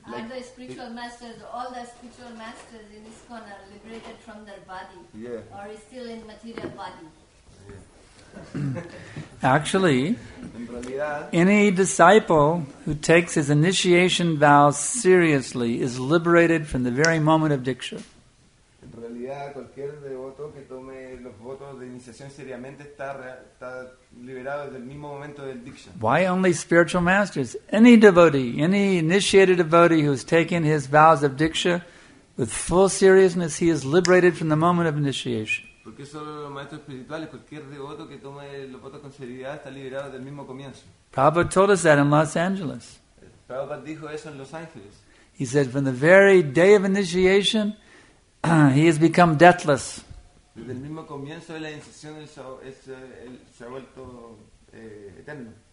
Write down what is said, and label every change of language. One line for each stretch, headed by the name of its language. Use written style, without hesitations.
English: All like, the spiritual masters, all the spiritual masters in this corner are liberated from their body. Yeah. Or is still in material body. Yeah. Actually,
Spanish: in realidad,
English: any disciple who takes his initiation vows seriously is liberated from the very moment of diksha.
Spanish: En realidad, cualquier devoto que tome los votos de iniciación seriamente está liberado desde el mismo momento del diksha.
English: Why only spiritual masters? Any devotee, any initiated devotee who has taken his vows of diksha with full seriousness, he is liberated from the moment of initiation.
Spanish: ¿Por qué solo los maestros espirituales? Cualquier devoto que tome los votos con seriedad está liberado desde el mismo comienzo.
English: Prabhupada told us that in Los Angeles.
Spanish: Prabhupada dijo eso en Los Ángeles.
English: He said, from the very day of initiation, he has become deathless.
Spanish: Desde el mismo comienzo de la iniciación él se ha vuelto eterno.